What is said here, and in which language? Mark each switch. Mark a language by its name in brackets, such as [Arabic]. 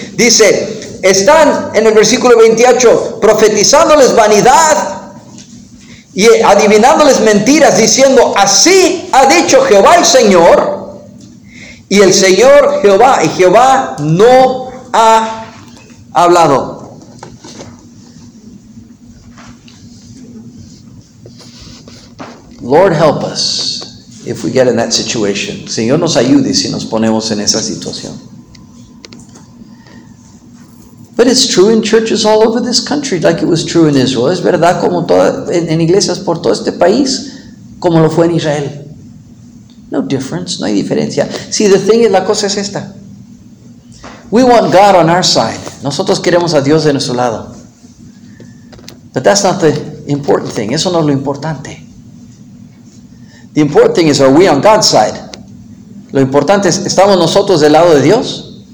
[Spanish] Dice, están en el versículo 28 profetizándoles vanidad y adivinándoles mentiras, diciendo, así ha dicho Jehová el Señor, y el Señor Jehová, y Jehová no ha hablado. [English] Lord help us if we get in that situation. [Spanish] Señor nos ayude si nos ponemos en esa situación. [English] But it's true in churches all over this country, like it was true in Israel. [Spanish] Es verdad como en iglesias por todo este país, como lo fue en Israel. [English] No difference, [Spanish] no hay diferencia. [English] See, the thing is, [Spanish] la cosa es esta. [English] We want God on our side. [Spanish] Nosotros queremos a Dios de nuestro lado. [English] But that's not the important thing. [Spanish] Eso no es lo importante. [English] The important thing is, are we on God's side? [Spanish] Lo importante es, ¿estamos nosotros del lado de Dios?